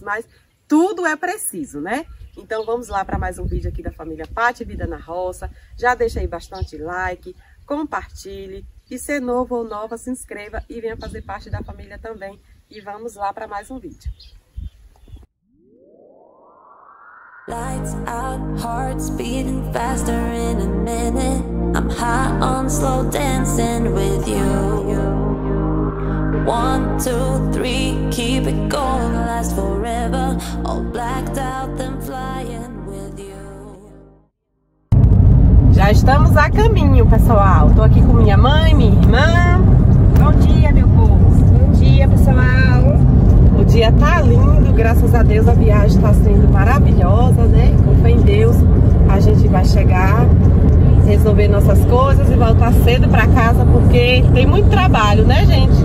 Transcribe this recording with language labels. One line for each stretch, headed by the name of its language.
Portuguese: Mas tudo é preciso, né? Então vamos lá para mais um vídeo aqui da família Pati Vida na Roça. Já deixa aí bastante like, compartilhe. E se é novo ou nova, se inscreva e venha fazer parte da família também. E vamos lá para mais um vídeo.
English: Lights out, hearts beating faster in a minute. I'm high on slow dancing with you. One, two, three, keep it going, last forever. All blacked out, then flying with you.
Portuguese: Já estamos a caminho, pessoal. Tô aqui com minha mãe, minha irmã. Bom dia, meu povo. Bom dia, pessoal. O dia tá lindo, graças a Deus a viagem tá sendo maravilhosa, né? Com fé em Deus, a gente vai chegar, resolver nossas coisas e voltar cedo pra casa, porque tem muito trabalho, né, gente?